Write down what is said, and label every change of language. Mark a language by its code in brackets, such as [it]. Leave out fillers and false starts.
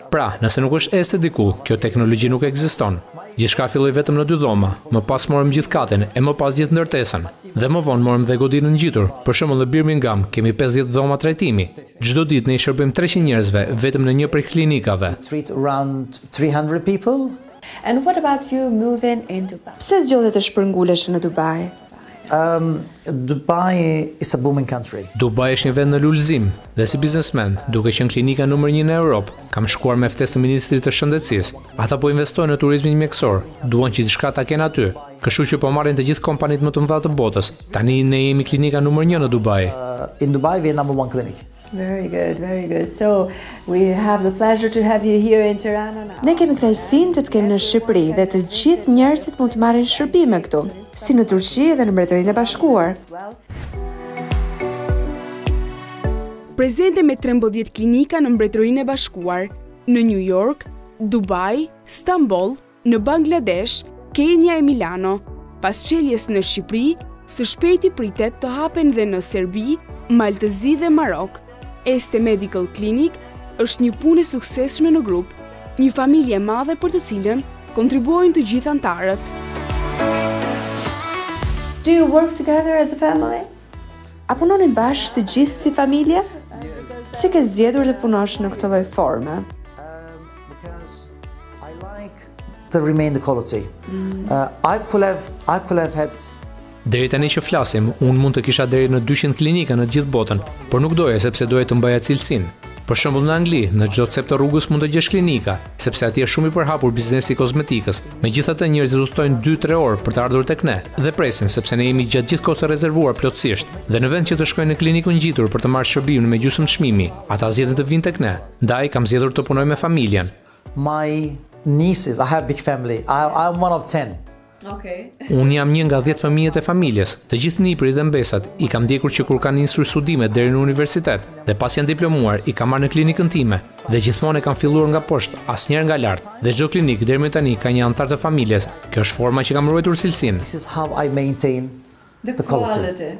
[sq] Pra, nëse nuk është Este diku, kjo teknologji nuk ekziston. Gjithçka filloi vetëm në dy dhoma. Më pas morëm gjithë katën e më pas gjithë ndërtesën dhe më vonë morëm dhe godinën ngjitur. Për shembull në Birmingham kemi 50 dhoma trajtimi. Çdo ditë ne i shërbim 300 njerëzve vetëm në një prej klinikave. [en] And what about you moving in Dubai? [sq] Pse zgjodhe të shpërngulesh në Dubai? [en] Dubai is a booming country. [sq] Dubai është një vend në lulëzim dhe si biznesmen, duke qenë klinika numër 1 në Europë, kam shkuar me ftesë të Ministrit të Shëndetësisë. Ata po investojnë në turizmin mjekësor, duan që diçka ta kenë aty. Kështu që po marrin të gjithë kompanitë më të mëdha të botës. Tani ne jemi klinika numër 1 në Dubai. [en] In Dubai we are number 1 clinic. Very good, very good. So, we have the pleasure to have you here in Tirana now. [sq] Ne kemi kënaqësinë të të kemi në Shqipëri dhe të gjithë njerëzit mund të marrin shërbime këtu, si në Turqi dhe në Mbretërinë e Bashkuar. Prezente me 13 klinika në Mbretërinë e Bashkuar, në New York, Dubai, Istanbul, në Bangladesh, Kenya e Milano, pas çeljes në Shqipëri, së shpejti pritet të hapen dhe në Serbi, Maltëzi dhe Marok. Este Medical Clinic është një punë e suksesshme në grup, një familje madhe për të cilën kontribuojnë të gjithë antarët. [en] Do you work together as a family? [sq] A punonin bashkë të gjithë si familje? Pse ke zgjedhur të punosh në këtë lloj forme? [en] I like to remain the quality. I could have had [sq] Deri tani që flasim, unë mund të kisha deri në 200 klinika në gjithë botën, por nuk doje sepse doje të mbaja cilësinë. Për shembull në Angli, në çdo cep të rrugës mund të gjesh klinika, sepse atje është shumë i përhapur biznesi i kozmetikës. Megjithatë, njerëzit udhtojnë 2-3 orë për të ardhur tek ne dhe presin sepse ne jemi gjatë gjithë kohës rezervuar plotësisht. Dhe në vend që të shkojnë në klinikën ngjitur për të marrë shërbimin me gjysmë çmimi, ata zgjidhin të vinë tek ne. Ndaj kam zgjedhur të punoj me familjen. [en] My nieces, I have big family. I'm one of 10. Okay. [sq] Unë jam një nga 10 fëmijët e familjes. Të gjithë niprit dhe mbesat i kam ndjekur që kur kanë nisur studimet deri në universitet dhe pas janë diplomuar i kam marrë në klinikën time. Dhe gjithmonë kam filluar nga poshtë, asnjëherë nga lart. Dhe çdo klinik deri më tani ka një anëtar të familjes. Kjo është forma që kam ruajtur cilësinë. [en] This is how I maintain the quality.